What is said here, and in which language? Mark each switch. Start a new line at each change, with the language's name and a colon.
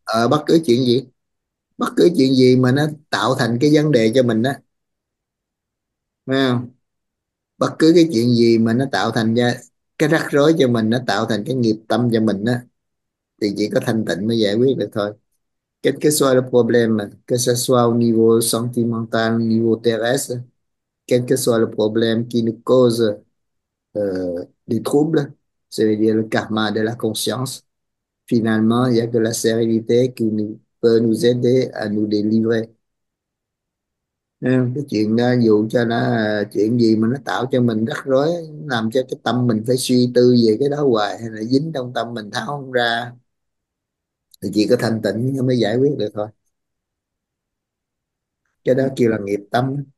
Vietnamese: Bất cứ chuyện gì, bất cứ chuyện gì mà nó tạo thành cái vấn đề cho mình đó, phải không? Bất cứ cái chuyện gì mà nó tạo thành ra cái rắc rối cho mình, nó tạo thành cái nghiệp tâm cho mình đó, thì chỉ có thanh tịnh mới giải quyết được thôi.
French: Quel que soit le problème, que ce soit au niveau sentimental, au niveau terrestre, quel que soit le problème qui nous cause des troubles, c'est-à-dire le karma de la conscience, finalement, il n'y a que la sérénité qui peut nous aider à nous délivrer.
Vietnamese: Cái chuyện dụ cho nó chuyện gì mà nó tạo cho mình rắc rối, làm cho cái tâm mình phải suy tư về cái đó hoài, hay là dính trong tâm mình tháo không ra, thì chỉ có thanh tịnh nó mới giải quyết được thôi. Cái đó kêu là nghiệp tâm.